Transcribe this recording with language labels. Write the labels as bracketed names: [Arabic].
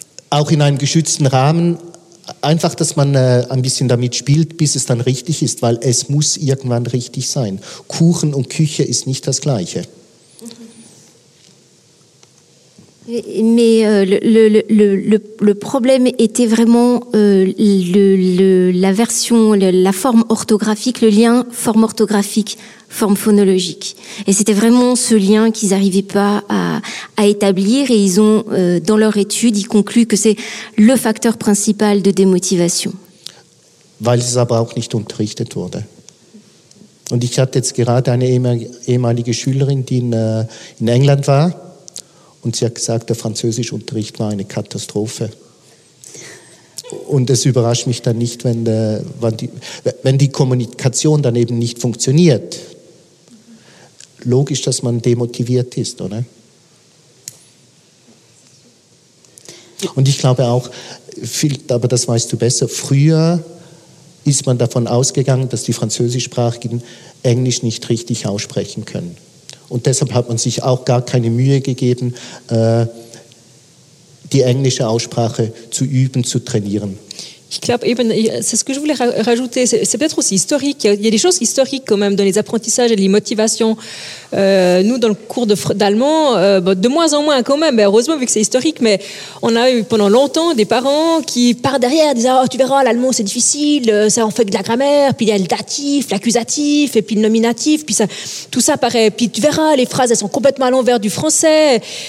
[German] auch in einem geschützten Rahmen. Einfach, dass man ein bisschen damit spielt, bis es dann richtig ist, weil es muss irgendwann richtig sein. Kuchen und Küche ist nicht das Gleiche. [French] Mais le problème était vraiment la forme orthographique, le lien forme orthographique, forme phonologique. Et c'était vraiment ce lien qu'ils n'arrivaient pas à établir. Et ils ont, dans leur étude, ils concluent que c'est le facteur principal de démotivation. [German] Weil es aber auch nicht unterrichtet wurde. Und ich hatte jetzt gerade eine ehemalige Schülerin, die in England war. Und sie hat gesagt, der Französischunterricht war eine Katastrophe. Und es überrascht mich dann nicht, wenn die Kommunikation dann eben nicht funktioniert. Logisch, dass man demotiviert ist, oder? Und ich glaube auch, aber das weißt du besser, früher ist man davon ausgegangen, dass die Französischsprachigen Englisch nicht richtig aussprechen können. Und deshalb hat man sich auch gar keine Mühe gegeben, die englische Aussprache zu üben, zu trainieren. Ich glaube eben, [French] c'est ce que je voulais rajouter, c'est peut-être aussi historique, il y a des choses historiques quand même dans les apprentissages et les motivations. Nous, dans le cours d'allemand, de moins en moins quand même, mais heureusement vu que c'est historique, mais on a eu pendant longtemps des parents qui partent derrière, disant oh, tu verras, l'allemand c'est difficile, ça en fait de la grammaire, puis il y a le datif, l'accusatif, et puis le nominatif, puis ça, tout ça paraît, puis tu verras, les phrases elles sont complètement à l'envers du français.